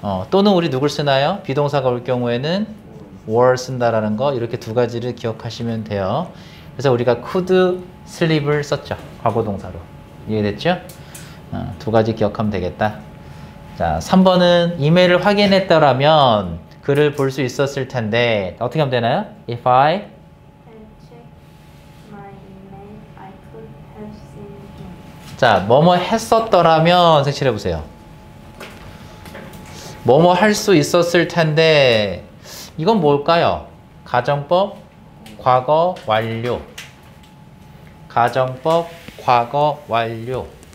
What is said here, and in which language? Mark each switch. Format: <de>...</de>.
<ko>또는 우리 누굴 쓰나요? 비동사가 올 경우에는 were 쓴다라는 거, 이렇게 두 가지를 기억하시면 돼요. 그래서 우리가 could sleep을 썼죠. 과거동사로. 이해됐죠? 두 가지 기억하면 되겠다. 자, 3번은 이메일을 확인했더라면 글을 볼 수 있었을 텐데 어떻게 하면 되나요?</ko> <en>If I had checked my email, I could have seen it.</en> <ko>자, 뭐뭐 했었더라면 색칠해보세요. 뭐뭐 할 수 있었을 텐데, 이건 뭘까요? 가정법 과거 완료. 가정법 과거 완료.</ko>